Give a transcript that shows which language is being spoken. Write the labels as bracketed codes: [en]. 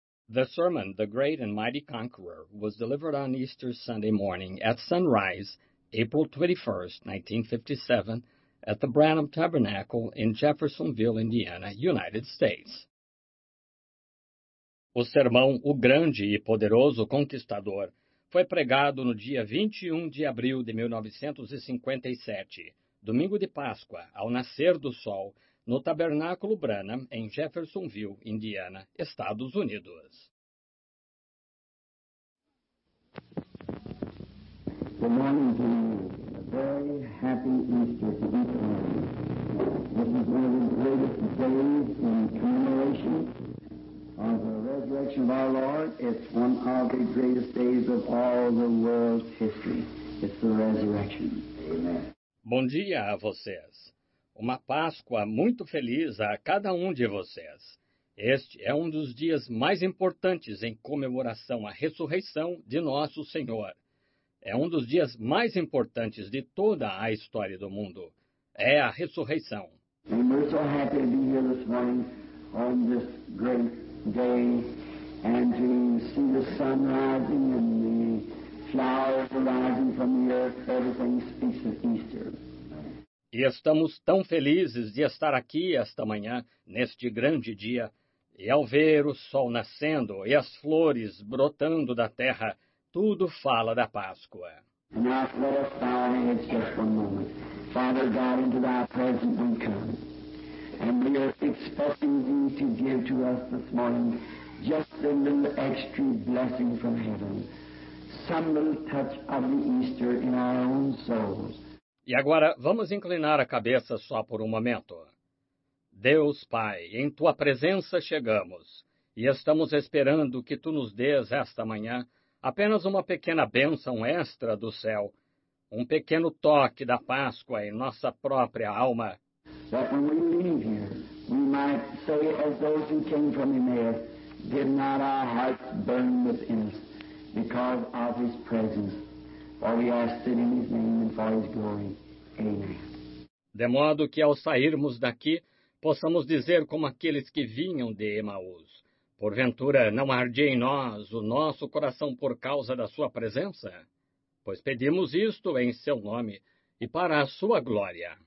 [en] The sermon, The Great and Mighty Conqueror, was delivered on Easter Sunday morning at sunrise, April 21, 1957, at the Branham Tabernacle in Jeffersonville, Indiana, United States. [pt] O sermão O Grande e Poderoso Conquistador foi pregado no dia 21 de abril de 1957, domingo de Páscoa, ao nascer do sol, no Tabernáculo Branham, em Jeffersonville, Indiana, Estados Unidos. [en] Good morning to you. A very happy Easter to each of you. This is one of the greatest days in commemoration of the resurrection of our Lord. It's one of the greatest days of all the world's history. It's the resurrection. Amen. [pt] Bom dia a vocês. Uma Páscoa muito feliz a cada um de vocês. Este é um dos dias mais importantes em comemoração à ressurreição de nosso Senhor. É um dos dias mais importantes de toda a história do mundo. É a ressurreição. [en] And we're so happy to be here this morning on this great day and to see the sun rising and the flowers rising from the earth. Everything speaks of Easter. [pt] E estamos tão felizes de estar aqui esta manhã, neste grande dia, e ao ver o sol nascendo e as flores brotando da terra, tudo fala da Páscoa. [en] And now let us bow our heads just one moment. Father God, into thy presence we come. And we are expecting thee to give to us this morning just a little extra blessing from heaven. Some little touch of the Easter in our own souls. [pt] E agora, vamos inclinar a cabeça só por um momento. Deus Pai, em Tua presença chegamos, e estamos esperando que Tu nos dês esta manhã apenas uma pequena bênção extra do céu, um pequeno toque da Páscoa em nossa própria alma. [en] That when we leave here, we might say as those who came from Emmaus, did not our hearts burn within us because of His presence. For we ask it in His name and for His glory. Amen. [pt] De modo que ao sairmos daqui, possamos dizer como aqueles que vinham de Emaús. Porventura, não ardia em nós o nosso coração por causa da Sua presença? Pois pedimos isto em Seu nome e para a Sua glória.